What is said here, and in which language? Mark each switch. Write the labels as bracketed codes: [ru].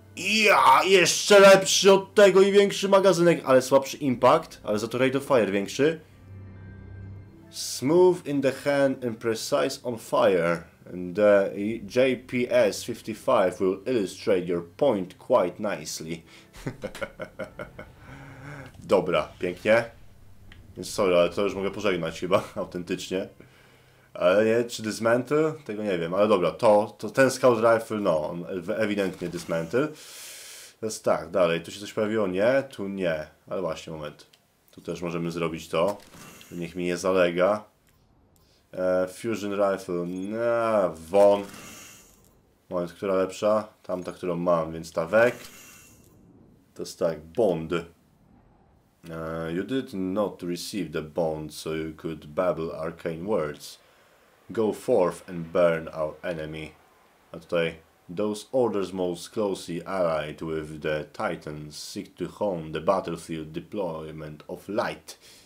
[pl] Ja, jeszcze lepszy od tego i większy magazynek, ale słabszy impact, ale za to [en] rate of fire [pl] większy. [en] Smooth in the hand and precise on fire. And the JPS 55 will illustrate your point quite nicely. [pl] Dobra, pięknie. Więc sorry, ale to już mogę pożegnać chyba, autentycznie. Ale nie, czy dismantle? Tego nie wiem, ale dobra, to ten scout rifle, no, on ewidentnie dismantle. Więc tak, dalej, tu się coś pojawiło? Nie, tu nie. Ale właśnie, moment. Tu też możemy zrobić to. Niech mi nie zalega. Fusion Rifle, no, won. Moment, która lepsza? Tamta, którą mam, więc ta Vec. To jest tak, Bond. [en] You did not receive the Bond, so you could babble arcane words. Go forth and burn our enemy. [pl] A tutaj, [en] those orders most closely allied with the Titans seek to hone the battlefield deployment of light.